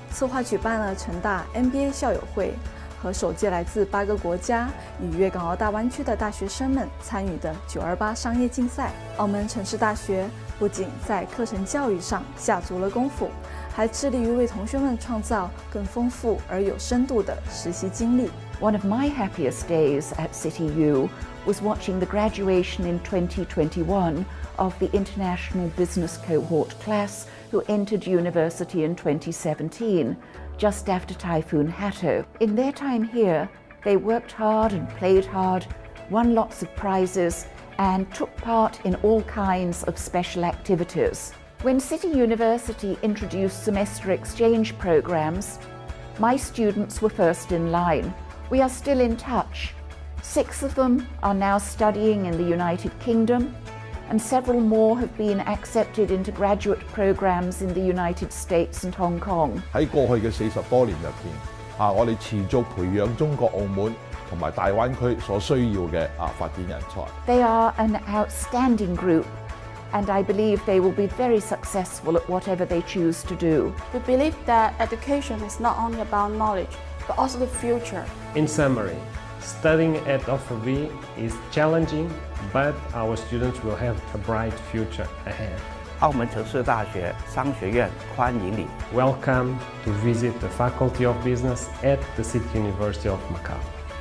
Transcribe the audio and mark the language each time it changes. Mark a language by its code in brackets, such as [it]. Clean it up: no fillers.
[zh] 学院给予我们充分的机会和平台去实习和成长，例如我们面对面与葡语系7国驻澳代表进行商业方面的讲座与交谈。学院给予我们机会策划举办了成大 MBA 校友会和首届来自8个国家与粤港澳大湾区的大学生们参与的928商业竞赛。澳门城市大学不仅在课程教育上下足了功夫， 还致力于为同学们创造更丰富而有深度的实习经历。 [en] One of my happiest days at CityU was watching the graduation in 2021 of the international business cohort class who entered university in 2017, just after Typhoon Hatto. In their time here, they worked hard and played hard, won lots of prizes, and took part in all kinds of special activities. When City University introduced semester exchange programs, my students were first in line. We are still in touch. Six of them are now studying in the United Kingdom, and several more have been accepted into graduate programs in the United States and Hong Kong. [zh] 在過去的40多年裡面，我們持續培養中國澳門和大灣區所需要的發展人才。 [en] They are an outstanding group, and I believe they will be very successful at whatever they choose to do. We believe that education is not only about knowledge, but also the future. In summary, studying at OFV is challenging, but our students will have a bright future ahead. [zh] 澳門城市大學商學院歡迎你。 [en] Welcome to visit the Faculty of Business at the City University of Macau.